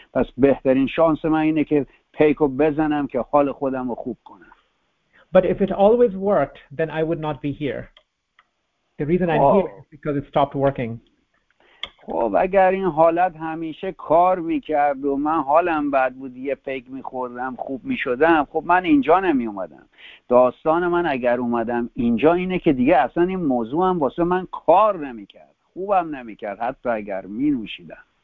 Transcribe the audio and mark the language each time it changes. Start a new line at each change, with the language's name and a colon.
Persian: پس بهترین شانس من اینه که پیکو بزنم که حال خودم رو خوب کنم.
English: But if it always worked, then I would not be here. The reason I'm here is because it stopped working.
Persian: خب اگر این حالت همیشه کار میکرد و من حالم بد بود یه پیک میخوردم خوب میشدم، خب من اینجا نمیومدم. داستان من اگر اومدم اینجا اینه که دیگه اصلا این موضوع هم واسه من کار نمیکرد، خوبم نمیکرد حتی اگر مینوشیدم.